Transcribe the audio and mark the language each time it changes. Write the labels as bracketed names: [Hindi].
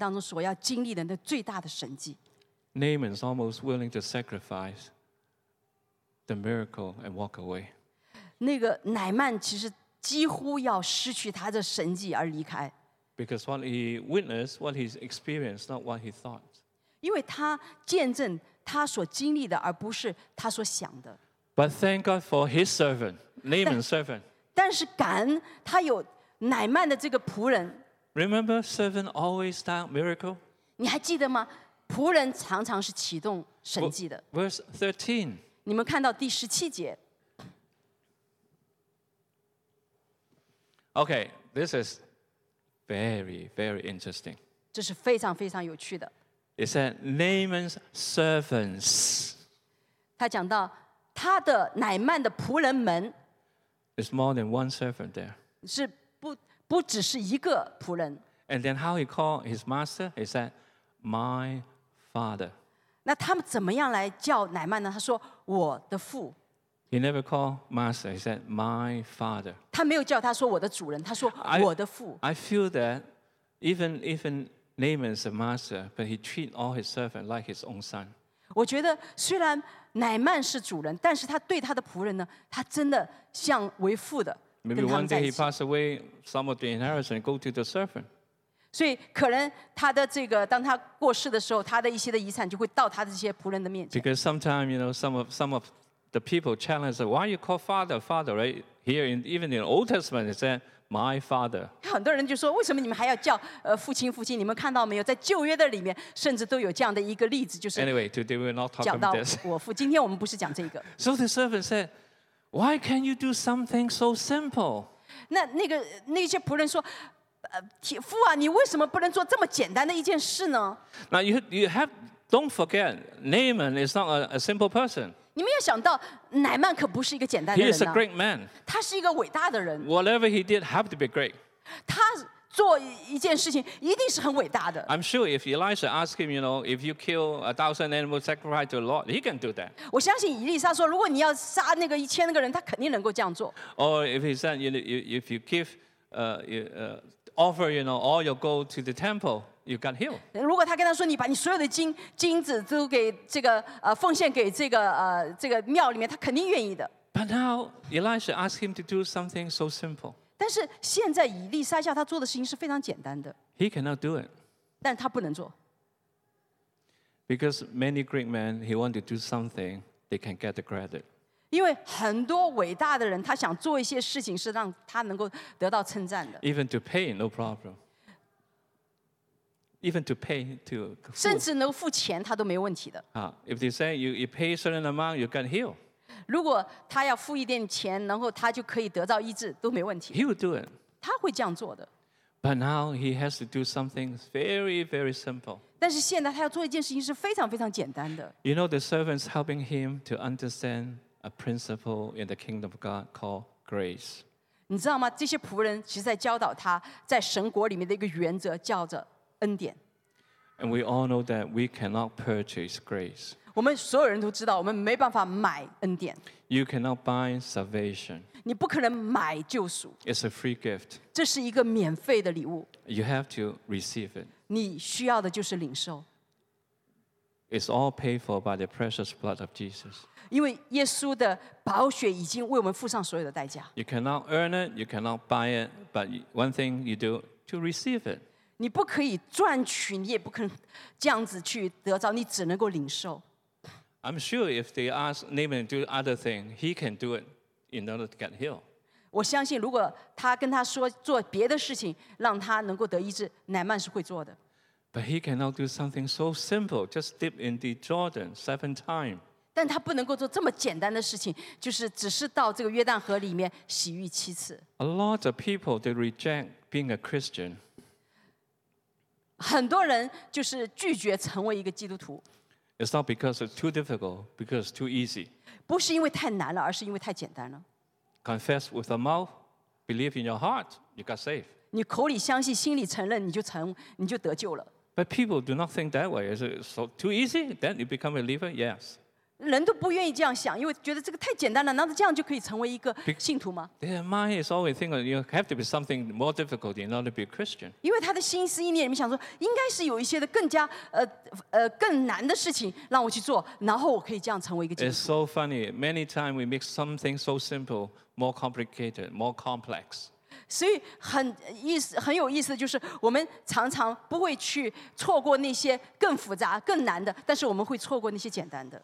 [Chinese] 如果你现在离开，你会失去你生命当中所要经历的那最大的神迹。 [English] Naaman is almost willing to sacrifice the miracle and walk away. [Chinese] 那个乃曼其实几乎要失去他的神迹而离开。 [English] Because what he witnessed, what he experienced, not what he thought. [Chinese] 因为他见证他所经历的，而不是他所想的。 [English] But thank God for his servant, Naaman's servant. [Chinese] 但是感恩他有乃曼的这个仆人。 [English] Remember, servant always start miracle? [Chinese] 你还记得吗? 仆人常常是启动神迹的。 [English] Verse 13. [Chinese] 你们看到第17节。 [English] Okay, this is very, very interesting. [Chinese] 这是非常非常有趣的。 [English] It said, Naaman's servants. [Chinese] 他讲到, 他的乃曼的仆人们, [English] it's more than one servant there. [Chinese] 是不只是一个仆人。 [English] And then how he called his master, he said, my father. [Chinese] 那他们怎么样来叫乃曼呢? 他说,我的父。 [English] He never called master, he said, my father. [Chinese] 他没有叫他说我的主人, 他说,我的父。 [English] I feel that even Naaman is a master, but he treats all his servants like his own son. [Chinese] 我觉得虽然 乃曼是主人, 但是他对他的仆人呢, 他真的像为父的, [English] Maybe one day he passed away, some of the inheritance go to the servant. [Chinese] 所以可能他的这个, 当他过世的时候, 他的一些的遗产就会到他的这些仆人的面前。 [English] Because sometimes, you know, some of the people challenge, why you call father, father, right? Here, even in Old Testament, it said, my father. [Chinese] 很多人就说, 为什么你们还要叫, 父亲, 你们看到没有? 在旧约的里面, 甚至都有这样的一个例子, 就是, [English] anyway, today we're not talking about this. [Chinese] 今天我们不是讲这个。 [English] So the servant said, Why can't you do something so simple? [Chinese] 那些仆人说，父啊，你为什么不能做这么简单的一件事呢？ [English] Now you have, don't forget, Naaman is not a simple person. [Chinese] 你们要想到，乃曼可不是一个简单的人 [English] 啊。He is a great man. [Chinese] 他是一个伟大的人。 [English] Whatever he did, have to be great. [Chinese] 他做一件事情一定是很伟大的。 [English] I'm sure if Elisha asked him, you know, if you kill 1,000 animals sacrificed to the Lord, he can do that. [Chinese] 我相信以利沙说，如果你要杀那个一千个人，他肯定能够这样做。 [English] Or if he said, you know, if you give, offer, you know, all your gold to the temple, you got healed. [Chinese] 如果他跟他说，你把你所有的金子都给这个奉献给这个庙里面，他肯定愿意的。 [English] But now Elisha asked him to do something so simple. [Chinese] 但是现在以利沙叫他做的事情是非常简单的。 [English] He cannot do it. [Chinese] 但他不能做。 [English] Because many great men, he want to do something, they can get the credit. [Chinese] 因为很多伟大的人，他想做一些事情是让他能够得到称赞的。 [English] Even to pay, no problem. Even to pay to [Chinese] 甚至能够付钱，他都没问题的。 [English] If they say you pay a certain amount, you can heal. [Chinese] 如果他要付一点钱，然后他就可以得到医治，都没问题。 [English] He would do it. [Chinese] 他会这样做的。 [English] But now he has to do something very, very simple. [Chinese] 但是现在他要做一件事情是非常非常简单的。 [English] You know the servants helping him to understand a principle in the kingdom of God called grace. [Chinese] 你知道吗？这些仆人其实在教导他在神国里面的一个原则，叫着恩典。 [English] And we all know that we cannot purchase grace. [Chinese] 我们所有人都知道，我们没办法买恩典。 [English] You cannot buy salvation. [Chinese] 你不可能买救赎。 [English] It's a free gift. [Chinese] 这是一个免费的礼物。 [English] You have to receive it. [Chinese] 你需要的就是领受。 [English] It's all paid for by the precious blood of Jesus. [Chinese] 因为耶稣的宝血已经为我们付上所有的代价。 [English] You cannot earn it, you cannot buy it, but one thing you do to receive it. [Chinese] 你不可以赚取，你也不可能这样子去得着，你只能够领受。 [English] I'm sure if they ask Naaman to do other things, he can do it in order to get healed. [Chinese] 我相信如果他跟他说做别的事情让他能够得医治，乃曼是会做的。 [English] But he cannot do something so simple, just dip in the Jordan 7 times. [Chinese] 但他不能够做这么简单的事情，就是只是到这个约旦河里面洗浴7次。 [English] A lot of people, they reject being a Christian. [Chinese] 很多人就是拒绝成为一个基督徒。 [English] It's not because it's too difficult, because it's too easy. [Chinese] 不是因为太难了，而是因为太简单了。 [English] Confess with the mouth, believe in your heart, you got saved. [Chinese] 你口里相信，心里承认，你就得救了。 [English] But people do not think that way. Is it so too easy? Then you become a believer? Yes. [Chinese] 人都不愿意这样想，因为觉得这个太简单了。难道这样就可以成为一个信徒吗？ [English] Their mind is always thinking you have to be something more difficult in order to be a Christian. [Chinese] 因为他的心思意念里面想说，应该是有一些的更难的事情让我去做，然后我可以这样成为一个基督徒。 [English] It's so funny. Many times we make something so simple more complicated, more complex. [Chinese] 所以很有意思的就是，我们常常不会去错过那些更复杂、更难的，但是我们会错过那些简单的。